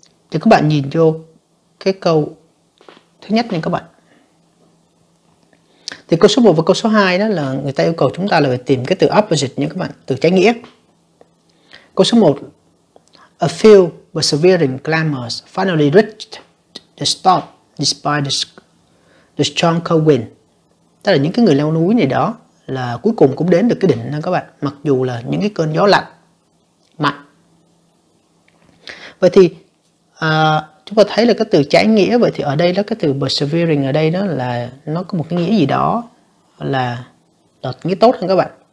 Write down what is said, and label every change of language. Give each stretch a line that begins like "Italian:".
Vietnamese: Thì các bạn nhìn vô cái câu thứ nhất nha các bạn. Thì câu số 1 và câu số 2 đó là người ta yêu cầu chúng ta là phải tìm cái từ opposite nha các bạn, từ trái nghĩa. Câu số 1:
English: A few persevering climbers finally reached the stop despite the strong cold wind.
Vietnamese: Tức là những cái người leo núi này đó là cuối cùng cũng đến được cái đỉnh đó các bạn, mặc dù là những cái cơn gió lạnh mạnh. Vậy thì chúng ta thấy là cái từ trái nghĩa, vậy thì ở đây đó cái từ persevering ở đây đó là nó có một cái nghĩa gì đó là nghĩa tốt hơn các bạn.